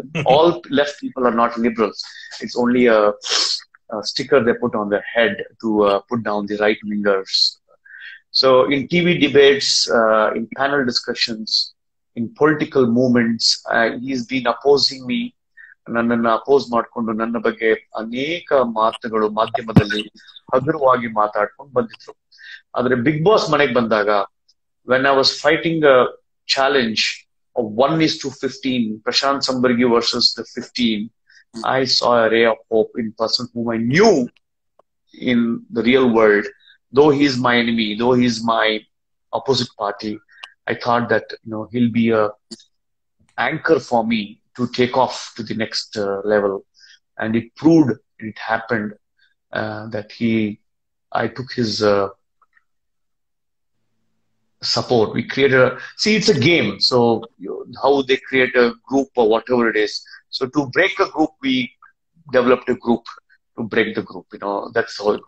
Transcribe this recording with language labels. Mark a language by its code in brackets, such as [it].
[en] all left people are not liberals. It's only a sticker they put on their head to put down the right wingers. So in TV debates, in panel discussions, in political movements, he's been opposing me. [kn] ನನ್ನನ್ನು oppose ಮಾಡಿಕೊಂಡು ನನ್ನ ಬಗ್ಗೆ ಅನೇಕ ಮಾತುಗಳು ಮಾಧ್ಯಮದಲ್ಲಿ ಹಗುರವಾಗಿ ಮಾತಾಡ್ಕೊಂಡು ಬಂದಿದ್ರು. ಆದರೆ ಬಿಗ್ ಬಾಸ್ ಮನೆಗೆ ಬಂದಾಗ, [en] When I was fighting a challenge 1:15, Prashant Sambargi versus the 15, I saw a ray of hope in person whom I knew in the real world. Though he is my enemy, though he is my opposite party, I thought that you know he'll be a anchor for me to take off to the next level. And it proved, it happened, that I took his support. We created a, see, it's a game. So how they create a group or whatever it is. So to break a group, we developed a group to break the group. You know, that's all.